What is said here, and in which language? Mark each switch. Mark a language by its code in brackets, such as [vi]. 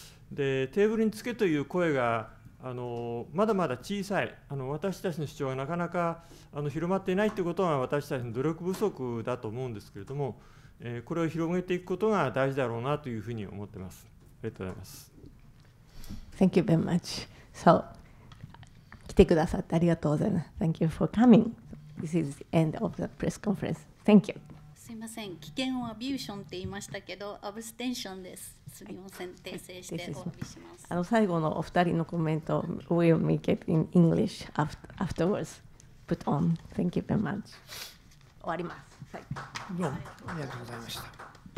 [ja] で、テーブルにつけという声がまだまだ小さい、私たちの主張がなかなか広まっていないということが私たちの努力不足だと思うんですけれども、これを広げていくことが大事だろうなというふうに思ってます。ありがとうございます。 [en] Thank you very much. [ja] So, 来てくださってありがとうございます。 [en] Thank you for coming. This is the end of the press conference. Thank you. [ja] すいません、危険をアビューションって言いましたけど、アブステンションです。すみません、訂正してお詫びします。最後のお二人のコメント [en] We'll make it in English afterwards. Put on. Thank you very much. [ja] 終わります。どうもありがとうございました。